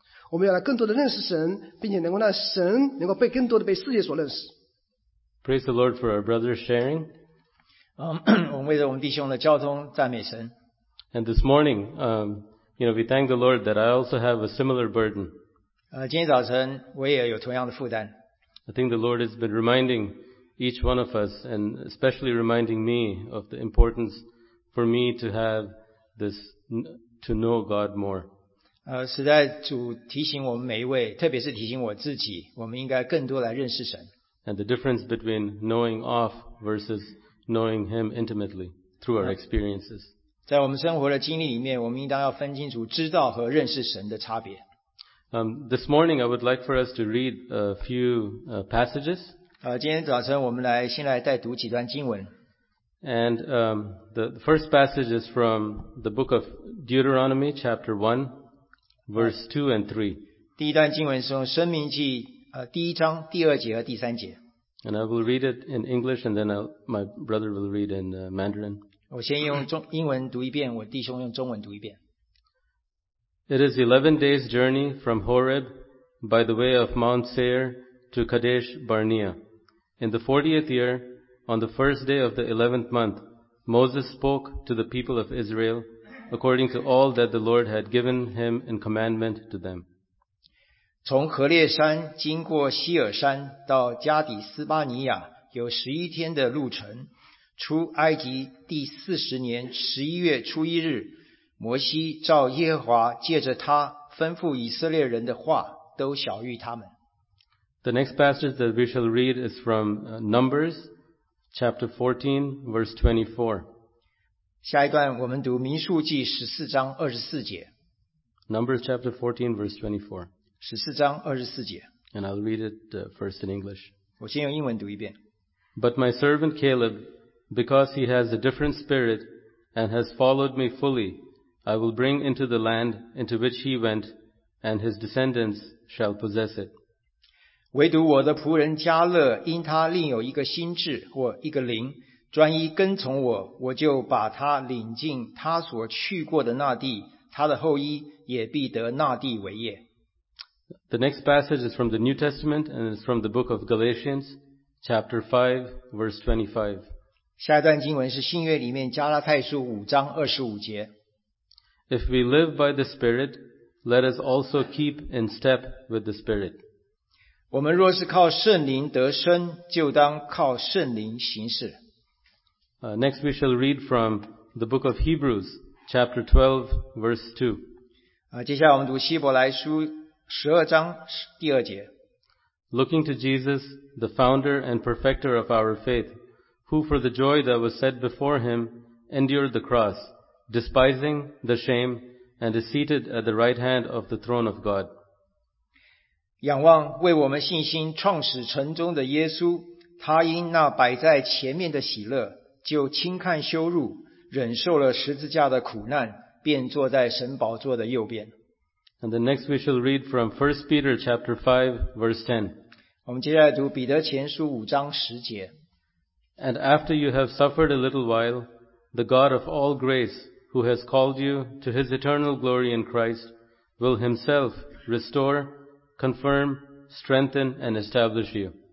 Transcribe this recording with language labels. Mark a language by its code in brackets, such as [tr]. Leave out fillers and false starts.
[zh] 我们要来更多的认识神，并且能够让神能够被更多的被世界所认识。 [en] Praise the Lord for our brother's sharing. [zh] 我们为着我们弟兄的交通赞美神。 [en] And this morning, we thank the Lord that I also have a similar burden. [zh] 今天早晨我也有同样的负担。 [en] I think the Lord has been reminding each one of us, and especially reminding me of the importance for me to have this to know God more. [zh] 实在主提醒我们每一位，特别是提醒我自己，我们应该更多来认识神。 [en] And the difference between knowing of versus knowing him intimately through our experiences. [zh] 在我们生活的经历里面，我们应当要分清楚知道和认识神的差别。 [en] This morning I would like for us to read a few passages. [zh] 今天早晨我们来先来带读几段经文。 [en] And the first passage is from the book of Deuteronomy chapter 1 verse 2 and 3. [zh] 第一段经文是从申命记第一章第二节和第三节。 [en] And I will read it in English and then my brother will read in Mandarin. [zh] 我先用中英文读一遍，我弟兄用中文读一遍。 [en] It is 11 days journey from Horeb by the way of Mount Seir to Kadesh Barnea. In the 40th year, on the first day of the 11th month, Moses spoke to the people of Israel according to all that the Lord had given him in commandment to them. [zh] 从何烈山经过希尔山到加底斯巴尼亚有11天的路程，出埃及第40年11月初一日，摩西照耶和华借着他吩咐以色列人的话都晓谕他们。 [en] The next passage that we shall read is from Numbers chapter 14 verse 24. [zh] 下一段我们读民数记14章24节。 [en] Numbers chapter 14 verse 24. [zh] 14章24节。 [en] And I'll read it first in English. [zh] 我先用英文读一遍。 [en] But my servant Caleb, because he has a different spirit and has followed me fully, I will bring into the land into which he went, and his descendants shall possess it. [zh] 唯独我的仆人加勒，因他另有一个心智或一个灵，专一跟从我，我就把他领进他所去过的那地，他的后裔也必得那地为业。 [en] The next passage is from the New Testament and it's from the book of Galatians, chapter 5, verse 25. [zh] 下一段经文是新约里面加拉太书五章二十五节。 [en] If we live by the Spirit, let us also keep in step with the Spirit. [zh] 我们若是靠圣灵得生，就当靠圣灵行事。 [en] Next we shall read from the book of Hebrews, chapter 12, verse 2. [zh] 接下来我们读希伯来书12章第二节。 [en] Looking to Jesus, the founder and perfecter of our faith, who for the joy that was set before him endured the cross, despising the shame, and is seated at the right hand of the throne of God. [zh] 仰望为我们信心创始成终的耶稣，他因那摆在前面的喜乐，就轻看羞辱，忍受了十字架的苦难，便坐在神宝座的右边。 [en] And the next we shall read from 1 Peter chapter 5 verse 10. [zh] 我们接下来读彼得前书5章10节。 [en] And after you have suffered a little while, the God of all grace, who has called you to his eternal glory in Christ, will himself restore, confirm, strengthen, and establish you.